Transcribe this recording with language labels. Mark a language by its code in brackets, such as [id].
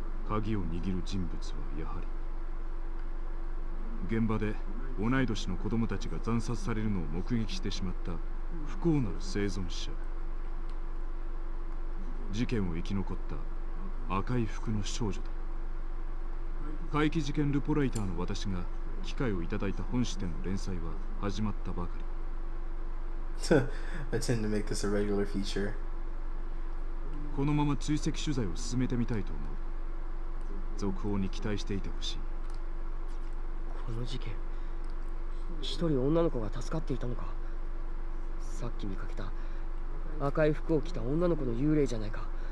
[ja] 鍵を握る人物はやはり現場で同い年の子供たちが惨殺されるのを目撃してしまった不幸なる生存者、事件を生き残った赤い服の少女だ。怪奇事件ルポライターの私が機会をいただいた本誌での連載は始まったばかり。 [en] I tend to make this a regular feature. [ja] このまま追跡取材を進めてみたいと思う。続報に期待していてほしい。この事件、一人女の子が助かっていたのか。さっき見かけた赤い服を着た女の子の幽霊じゃないか。